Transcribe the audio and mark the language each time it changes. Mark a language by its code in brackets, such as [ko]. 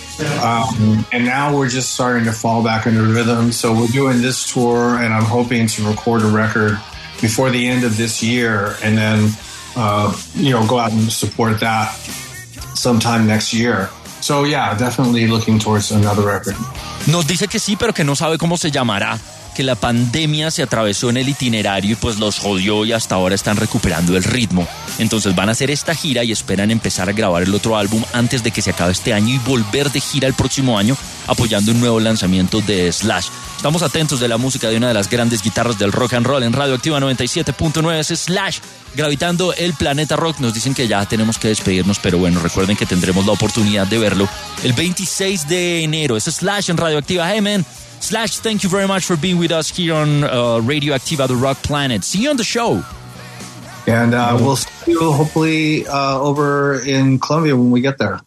[en] And now we're just starting to fall back into rhythm. So we're doing this tour, and I'm hoping to record a record before the end of this year, and then, you know, go out and support that sometime next year. So yeah, definitely looking towards another record. [es] Nos dice que sí, pero que no sabe cómo se llamará. Que la pandemia se atravesó en el itinerario y pues los jodió y hasta ahora están recuperando el ritmo. Entonces van a hacer esta gira y esperan empezar a grabar el otro álbum antes de que se acabe este año y volver de gira el próximo año apoyando un nuevo lanzamiento de Slash. Estamos atentos de la música de una de las grandes guitarras del rock and roll en Radioactiva 97.9, es Slash, gravitando el planeta rock. Nos dicen que ya tenemos que despedirnos, pero bueno, recuerden que tendremos la oportunidad de verlo el 26 de enero. Es Slash en Radioactiva. [en] Hey man, Slash, thank you very much for being with us here on Radioactiva, the rock planet. See you on the show. And we'll see you hopefully over in Colombia when we get there.